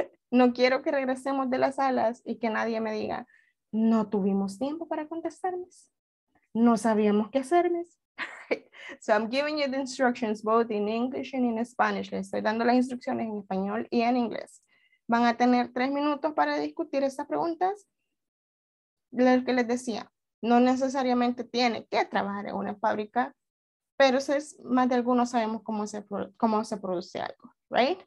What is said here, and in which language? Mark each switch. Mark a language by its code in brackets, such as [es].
[es] No quiero que regresemos de las salas y que nadie me diga, no tuvimos tiempo para contestarles. No sabíamos qué hacerles. [en] So I'm giving you the instructions both in English and in Spanish. [es] Les estoy dando las instrucciones en español y en inglés. Van a tener 3 minutos para discutir estas preguntas. Lo que les decía, no necesariamente tiene que trabajar en una fábrica, pero es más de algunos sabemos cómo se produce algo, right?